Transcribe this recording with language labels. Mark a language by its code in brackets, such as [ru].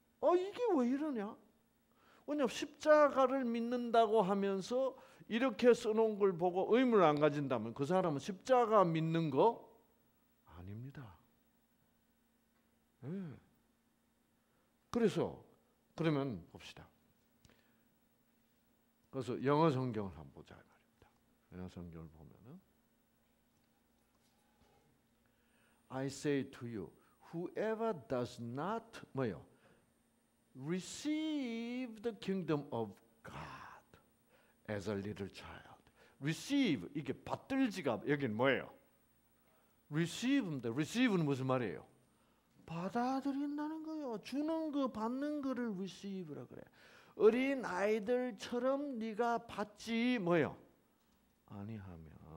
[ko] 아, 이게 왜 이러냐? 왜냐면 십자가를 믿는다고 하면서 이렇게 써놓은 걸 보고 의문을 안 가진다면 그 사람은 십자가 믿는 거 아닙니다. 네. 그래서 그러면 봅시다. 그래서 영어 성경을 한번 보자 말입니다. 영어 성경을 보면은 [en] I say to you, whoever does not [ko] 뭐요? [en] receive the kingdom of God as a little child. [ko] receive 이게 받들지가 여기는 뭐예요? receive인데 receive는 무슨 말이에요? 받아들인다는 거예요. 주는 거 받는 거를 receive라 그래. 어린 아이들처럼 네가 받지 뭐요? 아니하면.